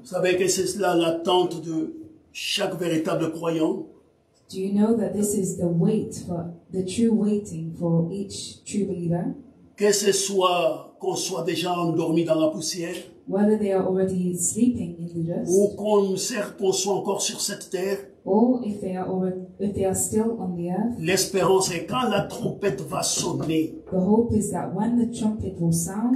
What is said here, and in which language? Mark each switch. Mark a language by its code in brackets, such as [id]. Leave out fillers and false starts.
[fr] Vous savez que c'est cela l'attente de chaque véritable croyant. [en] Do you know that this is the wait for the true waiting for each true believer? [fr] Que ce soit qu'on soit déjà endormi dans la poussière. [en] Whether they are already sleeping in the dust. [fr] Ou qu'on soit encore sur cette terre. [en] Or if they are already, if they are still on the earth. [fr] L'espérance est quand la trompette va sonner. [en] The hope is that when the trumpet will sound.